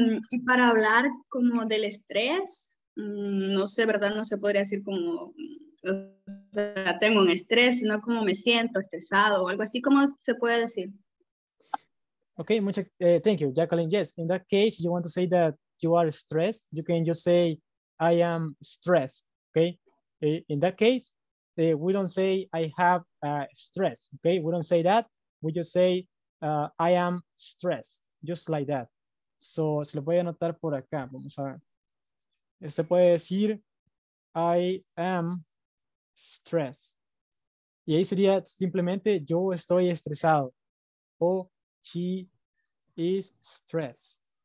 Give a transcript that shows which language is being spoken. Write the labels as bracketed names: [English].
[Spanish] Y para hablar como del estrés, no sé, ¿verdad? No se podría decir como, o sea, tengo un estrés, sino como me siento estresado o algo así, ¿cómo se puede decir? Ok, muchas gracias, [English] thank you, [Spanish] Jacqueline. [English] Yes, in that case, you want to say that you are stressed, you can just say, I am stressed, ok? In that case, we don't say, I have stress, ok? We don't say that, we just say, I am stressed, just like that. [Spanish] So, se lo voy a anotar por acá. Vamos a ver. Este puede decir, [English] I am stressed. [Spanish] Y ahí sería simplemente, yo estoy estresado. [English] O, she is stressed.